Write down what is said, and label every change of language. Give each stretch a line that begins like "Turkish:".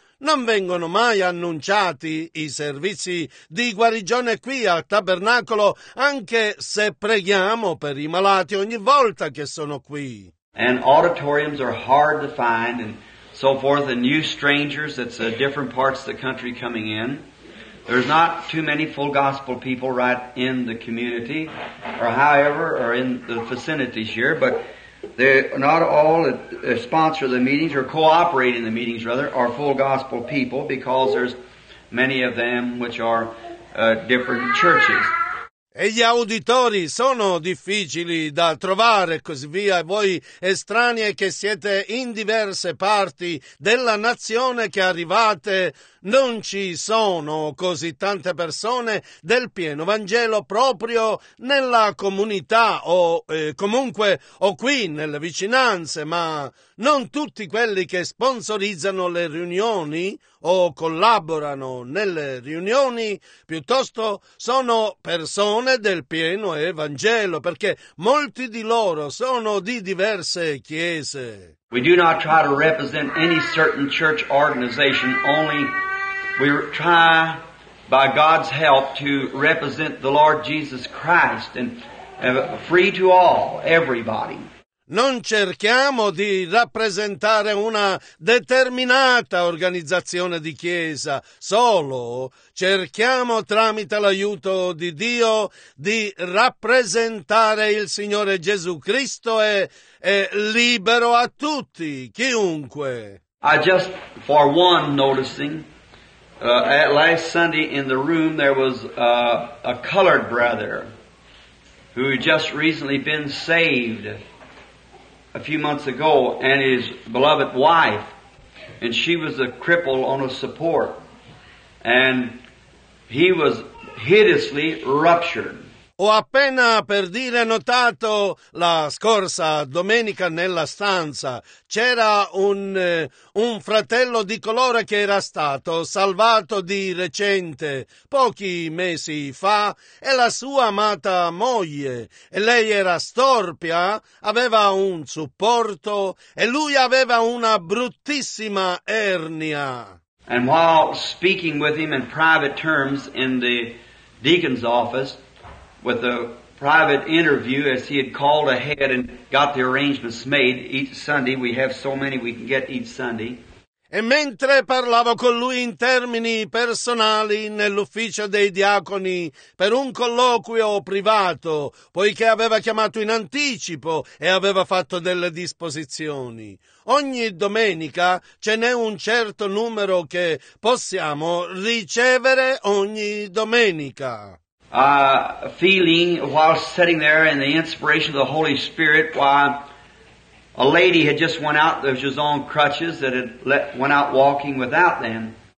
Italian: Non vengono mai annunciati i servizi di guarigione qui al tabernacolo, anche se preghiamo per i malati ogni volta che sono qui.
English: And auditoriums are hard to find and so forth, and new strangers, that's different parts of the country coming in. There's not too many full gospel people right in the community, or however, or in the vicinities here, but they're not all that sponsor the meetings, or cooperate in the meetings, rather, are full gospel people, because there's many of them which are different churches.
Italian: E gli auditori sono difficili da trovare, così via. Voi estranei che siete in diverse parti della nazione che arrivate, non ci sono così tante persone del pieno Vangelo proprio nella comunità o qui nelle vicinanze, ma non tutti quelli che sponsorizzano le riunioni o collaborano nelle riunioni, piuttosto sono persone del pieno Evangelo, perché molti di loro sono di diverse chiese.
English: We do not try to represent any certain church organization, only we try by God's help to represent the Lord Jesus Christ and free to all, everybody.
Italian: Non cerchiamo di rappresentare una determinata organizzazione di chiesa, solo cerchiamo tramite l'aiuto di Dio di rappresentare il Signore Gesù Cristo e libero a tutti, chiunque.
English: I just for one noticing, at last Sunday in the room there was a colored brother who had just recently been saved a few months ago, and his beloved wife, and she was a cripple on a support, and he was hideously ruptured.
Italian: Ho appena, per dire, notato la scorsa domenica nella stanza. C'era un fratello di colore che era stato salvato di recente, pochi mesi fa, e la sua amata moglie. E lei era storpia, aveva un supporto e lui aveva una bruttissima ernia.
English: And while speaking with him in private terms in the deacon's office, with a private interview, as he had called ahead and got the arrangements made each Sunday. We have so many we can get each Sunday.
Italian: E mentre parlavo con lui in termini personali nell'ufficio dei diaconi per un colloquio privato, poiché aveva chiamato in anticipo e aveva fatto delle disposizioni. Ogni domenica ce n'è un certo numero che possiamo ricevere ogni domenica.
English: Feeling while sitting there in the inspiration of the Holy Spirit, while a lady had just went out of his own crutches that had went out walking without them.